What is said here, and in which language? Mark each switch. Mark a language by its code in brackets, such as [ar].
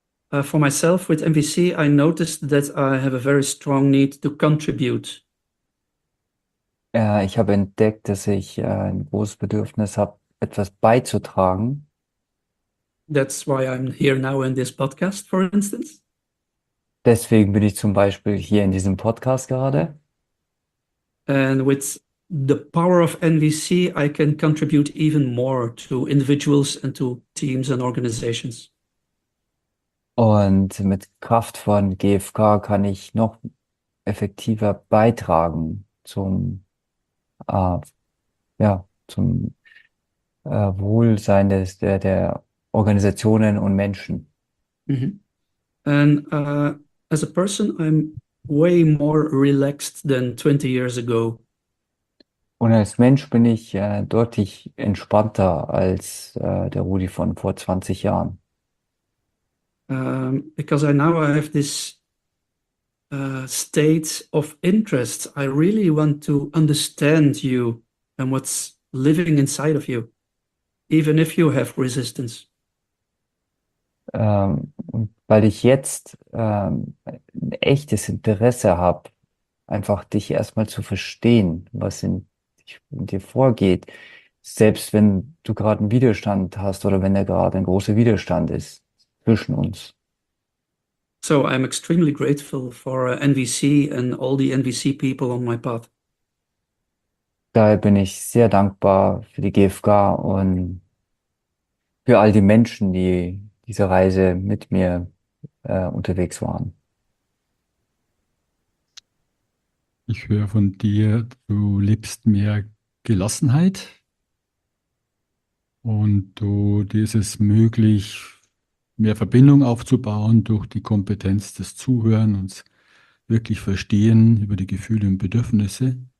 [en] For myself with MVC, I noticed that I have a very strong need to contribute. [de] Ich habe entdeckt, dass ich ein großes Bedürfnis habe, etwas beizutragen. [en] That's why I'm here now in this podcast, for instance. [de] Deswegen bin ich zum Beispiel hier in diesem Podcast gerade. [en] And with the power of NVC, I can contribute even more to individuals and to teams and organizations. [de] Und mit Kraft von GFK kann ich noch effektiver beitragen zum zum Wohlsein der Organisationen und Menschen. [en] And as a person, I'm way more relaxed than 20 years ago. [de] Und als Mensch bin ich deutlich entspannter als der Rudi von vor 20 Jahren. [en] Because I now I have this state of interest. I really want to understand you and what's living inside of you, even if you have resistance. [de] Weil ich jetzt ein echtes Interesse habe, einfach dich erstmal zu verstehen, was in dir vorgeht, selbst wenn du gerade einen Widerstand hast oder wenn da gerade ein großer Widerstand ist zwischen uns. [en] So I'm extremely grateful for NVC and all the NVC people on my path. [de] Daher bin ich sehr dankbar für die GfK und für all die Menschen, die diese Reise mit mir unterwegs waren. Ich höre von dir, du liebst mehr Gelassenheit und du, dir ist es möglich, mehr Verbindung aufzubauen durch die Kompetenz des Zuhören und wirklich Verstehen über die Gefühle und Bedürfnisse.